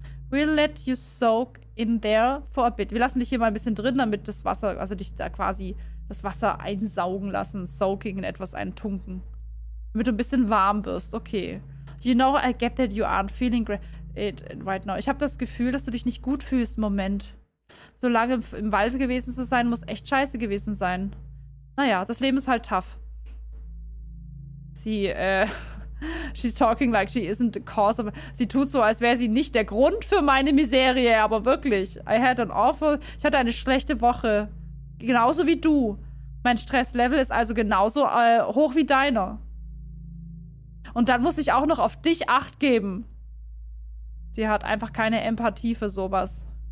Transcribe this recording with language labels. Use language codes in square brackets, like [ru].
[en] We'll let you soak in there for a bit. [de] Wir lassen dich hier mal ein bisschen drin, damit das Wasser, also dich da quasi das Wasser einsaugen lassen, soaking in etwas eintunken. Damit du ein bisschen warm wirst, okay. [en] You know, I get that you aren't feeling great right now. [de] Ich habe das Gefühl, dass du dich nicht gut fühlst im Moment. So lange im Wald gewesen zu sein, muss echt scheiße gewesen sein. Naja, das Leben ist halt tough. [en] She's talking like she isn't the cause of. [de] Sie tut so, als wäre sie nicht der Grund für meine Misere, aber wirklich. [en] I had an awful. [de] Ich hatte eine schlechte Woche. Genauso wie du. Mein Stresslevel ist also genauso hoch wie deiner. Und dann muss ich auch noch auf dich Acht geben. Sie hat einfach keine Empathie für sowas.